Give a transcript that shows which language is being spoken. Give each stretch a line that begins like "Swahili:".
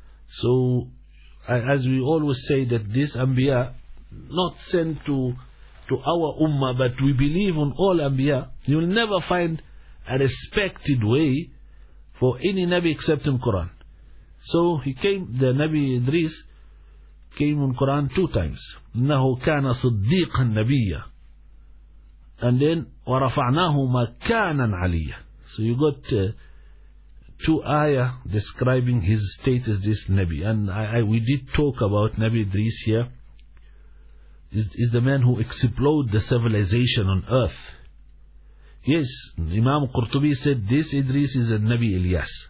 English: So as we always say, that this Anbiya not sent to our Ummah, but we believe on all Anbiya. You will never find a respected way for any Nabi except in Quran. So he came, the Nabi Idris came in Quran 2 times.
Arabic: إنه كان صديقا نبيا.
English: and then
Arabic: وَرَفَعْنَاهُ مَكَانًا عَلِيًّا.
English: So you got two ayah describing his status, this Nabi. And we did talk about Nabi Idris here. Is the man who exploded the civilization on earth. Yes, Imam Qurtubi said this Idris is a Nabi Ilyas.